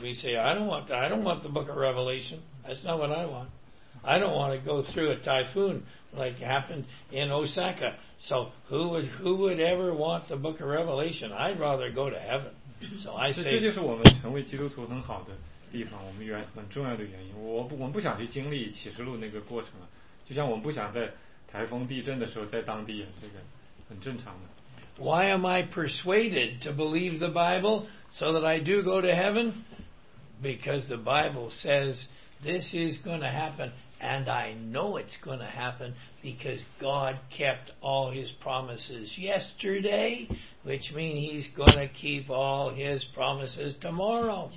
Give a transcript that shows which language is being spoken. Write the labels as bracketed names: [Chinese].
[English] We say, I don't want the book of Revelation. That's not what I want. I don't want to go through a typhoon like happened in Osaka. So who would ever want the book of Revelation? I'd rather go to heaven. So I say, [Chinese] 这就是我们成为基督徒很好的地方，我们原很重要的原因。我们不想去经历启示录那个过程了，就像我们不想在台风地震的时候在当地，这个很正常的。 [English] Why am I persuaded to believe the Bible so that I do go to heaven? Because the Bible says this is going to happen, and I know it's going to happen because God kept all his promises yesterday, which means he's going to keep all his promises tomorrow.